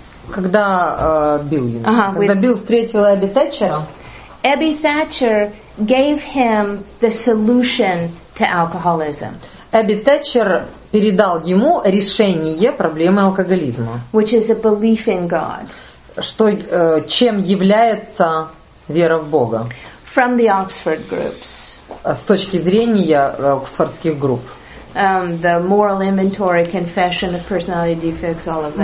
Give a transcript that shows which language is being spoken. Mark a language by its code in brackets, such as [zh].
[ru] когда Билл встретил Эбби Тэтчера, [en] Abby Thatcher gave him the solution to alcoholism. [ru] Эбби Тэтчер передал ему решение проблемы алкоголизма, [en] which is a belief in God. [ru] Что, чем является вера в Бога? [en] From the Oxford groups. [ru] С точки зрения оксфордских групп. [en] The moral inventory, confession of personality defects, all of that.